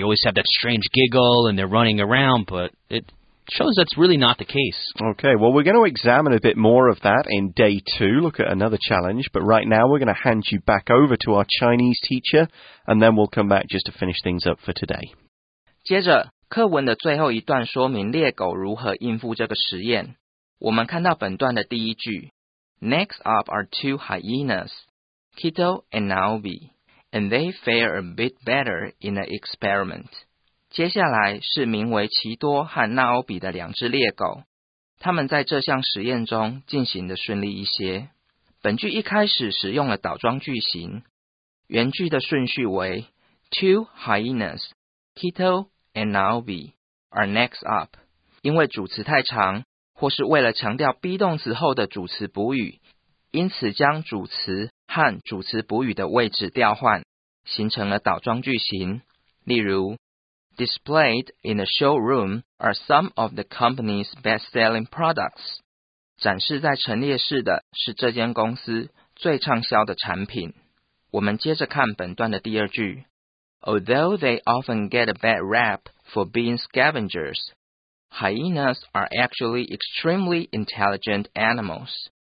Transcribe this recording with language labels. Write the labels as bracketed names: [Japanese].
[English] They always have that strange giggle, and they're running around, but it shows that's really not the case. Okay, well, we're going to examine a bit more of that in day two, look at another challenge, but right now we're going to hand you back over to our Chinese teacher, and then we'll come back just to finish things up for today. [Chinese] 接着，课文的最后一段说明猎狗如何应付这个实验。我们看到本段的第一句， [English] Next up are two hyenas, Kito and Naomi, and they fare a bit better in the experiment. [Chinese] 接下来是名为奇多和纳欧比的两只猎狗，他们在这项实验中进行的顺利一些。本句一开始使用了倒装句型，原句的顺序为 [English] Two hyenas, Kito and Naomi are next up。 [Chinese] 因为主词太长，或是为了强调 be 动词后的主词补语，因此将主词和主词补语的位置调换，形成了倒装句型。例如 [English] Displayed in the showroom are some of the company's best-selling products. [Chinese] 展示在陈列室的是这间公司最畅销的产品。我们接着看本段的第二句。 [English] Although they often get a bad rap for being scavengers, hyenas are actually extremely intelligent animals.